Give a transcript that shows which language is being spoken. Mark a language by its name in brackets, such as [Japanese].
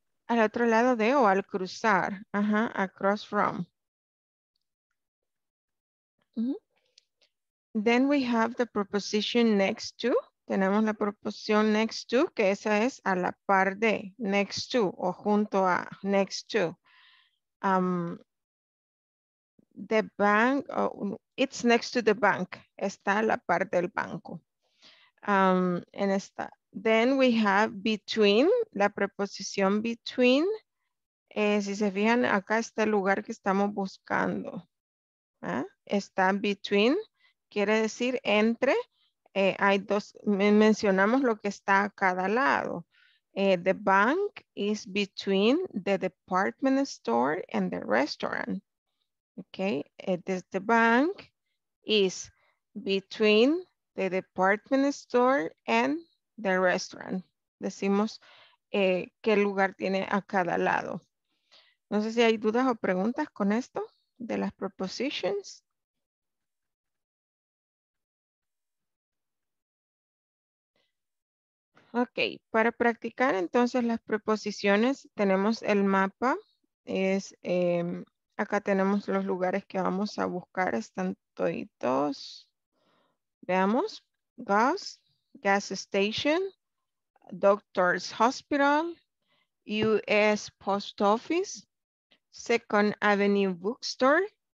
[Spanish] Al otro lado de o al cruzar. Ajá, [English] across from. Then we have the preposition next to. [Spanish] Tenemos la preposición next to, que esa es a la par de, next to, o junto a, next to. [English] The bank, oh, it's next to the bank. [Spanish] Está a la par del banco. En esta. [English] Then we have between, [Spanish] la preposición [English] between. [Spanish] Si se fijan, acá está el lugar que estamos buscando. Está between, quiere decir entre. Hay dos, mencionamos lo que está a cada lado. [English] The bank is between the department store and the restaurant. Okay, the bank is between the department store and the restaurant. [Spanish] Decimos qué lugar tiene a cada lado. No sé si hay dudas o preguntas con esto de las prepositions. Ok, para practicar entonces las preposiciones tenemos el mapa, es, acá tenemos los lugares que vamos a buscar, están toditos, veamos, gas station, doctor's hospital, US post office, Second Avenue bookstore,